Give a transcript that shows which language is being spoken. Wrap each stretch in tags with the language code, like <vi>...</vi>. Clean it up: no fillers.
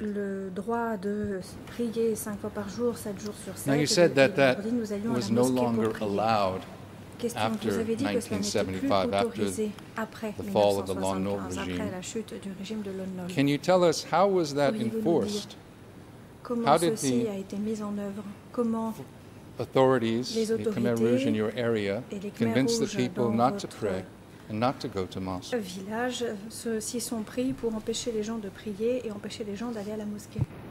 <fr>Le droit de prier cinq fois par jour, sept jours sur sept.</fr> <en>Now you said that was no longer allowed. Question, after 1975, after the fall of the Lon Nol regime, can you tell us how was that enforced? How did the authorities, the Khmer Rouge in your area, convince the people not to pray and not to go to mosque?</en> <fr>Village, ceux-ci sont pris pour empêcher les gens de prier et empêcher les gens d'aller à la mosquée.</fr>